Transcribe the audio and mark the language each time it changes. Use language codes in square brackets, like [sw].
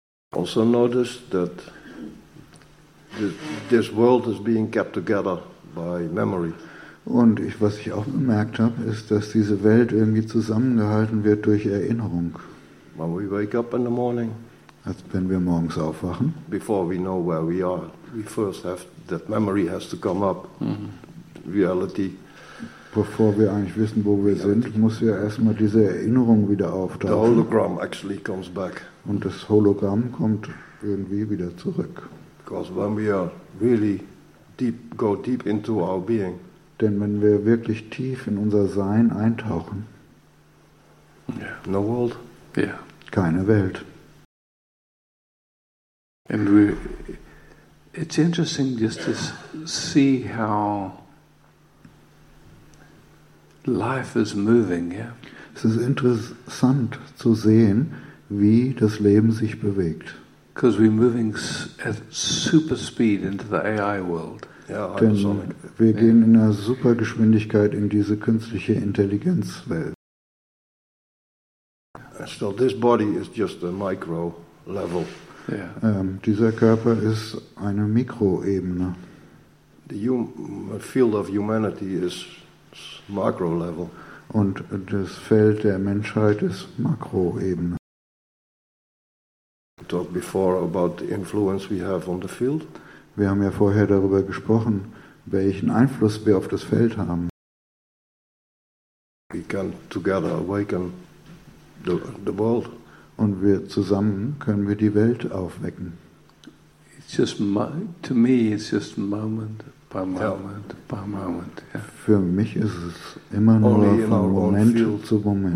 [en] Also notice that this world is being kept together by memory. [de] Und was ich auch bemerkt habe, ist, dass diese Welt irgendwie zusammengehalten wird durch Erinnerung. [en] When we wake up in the morning. [de] Als wenn wir morgens aufwachen. [en] Before we know where we are, we first have that memory has to come up. Reality. [de] Bevor wir eigentlich wissen, wo wir sind, muss ja erstmal diese Erinnerung wieder auftauchen. [en] The hologram actually comes back. [de] Und das Hologramm kommt irgendwie wieder zurück. [en] Because when we are really deep, go deep into our being. [de] Denn wenn wir wirklich tief in unser Sein eintauchen. [en] Yeah. No world. Yeah. [de] Keine Welt. [en] And it's interesting just to see how life is moving, yeah. [de] Es ist interessant zu sehen, wie das Leben sich bewegt. [en] Because we're moving at super speed into the AI world. Yeah, [de] denn wir gehen in einer Supergeschwindigkeit in diese künstliche Intelligenzwelt. [en] So this body is just a micro level. Yeah. [de] Dieser Körper ist eine Mikroebene. [en] The field of humanity is macro level. [de] Und das Feld der Menschheit ist Makroebene. [en] We talked before about the influence we have on the field. [de] Wir haben ja vorher darüber gesprochen, welchen Einfluss wir auf das Feld haben. [en] We can together awaken the world. [de] Und wir zusammen können wir die Welt aufwecken. [en] It's just to me it's just moment by moment, yeah. By moment. Yeah. [de] Für mich ist es immer nur von Moment zu Moment.